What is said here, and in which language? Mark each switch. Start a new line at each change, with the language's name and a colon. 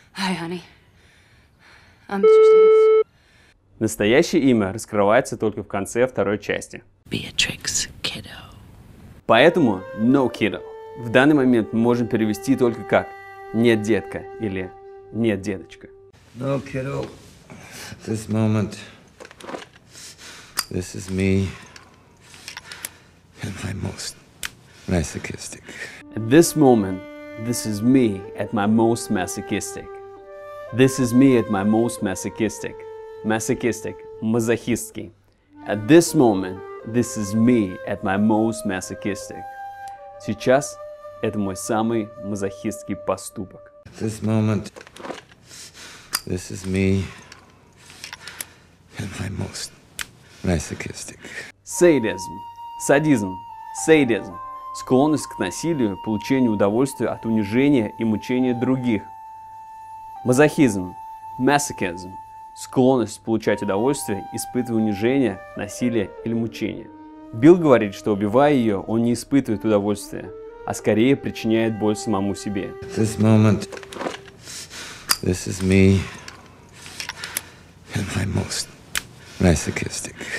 English: Hi, honey. I'm Mr. Steve.
Russian: Настоящее имя раскрывается только в конце второй части.
English: Beatrix, kiddo.
Russian: Поэтому
English: no kiddo.
Russian: В данный момент мы можем перевести только как «нет, детка» или «нет, деточка».
English: No, kiddo. This moment, this is me at my most masochistic. At this moment, this is me at my most masochistic. This is me at my most masochistic. Masochistic. Мазохистки. At this moment, this is me at my most masochistic.
Russian: Сейчас это мой самый мазохистский поступок.
English: This moment, this is me at my most masochistic.
Russian: Садизм. Садизм. Садизм. Склонность к насилию, получению удовольствия от унижения и мучения других. Мазохизм. Masochism. Склонность получать удовольствие, испытывая унижение, насилие или мучение. Билл говорит, что убивая ее, он не испытывает удовольствия, а скорее причиняет боль самому себе.
English: This moment, this is me and my most masochistic.